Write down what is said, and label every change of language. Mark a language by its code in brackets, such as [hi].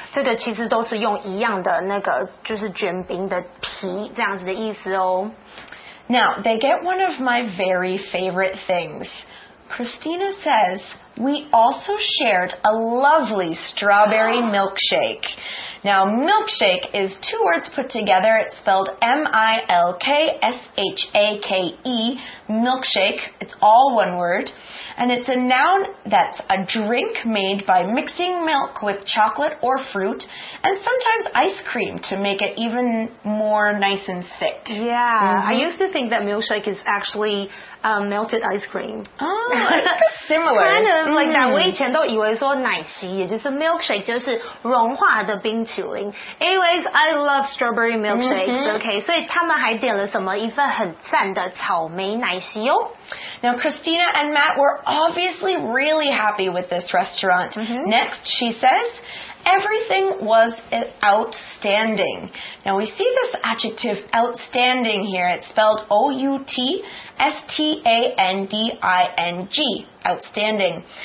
[zh] 这个其实都是用一样的那个就是卷饼的皮这样子的意思哦。 [en] Now, they get one of my very favorite things. Christina says, we also shared a lovely strawberry milkshake. Now, milkshake is two words put together. It's spelled M-I-L-K-S-H-A-K-E, milkshake. It's all one word. And it's a noun that's a drink made by mixing milk with chocolate or fruit, and sometimes ice cream to make it even more nice and thick. Yeah,、mm-hmm. I used to think that milkshake is actually、melted ice cream. Oh, it's similar. Kind of like、mm-hmm. that. [zh] 我以前都以为说奶昔，也就是 milkshake， 就是融化的冰淇淋。 [en] Anyways, I love strawberry milkshakes.、Mm-hmm. [zh] Okay, 所以他们还点了什么一份很赞的草莓奶昔哦。 [en] Now, Christina and Matt were obviously really happy with this restaurant.、Mm-hmm. Next, she says... Everything was outstanding. Now we see this adjective outstanding here. It's spelled O-U-T-S-T-A-N-D-I-N-G. Outstanding.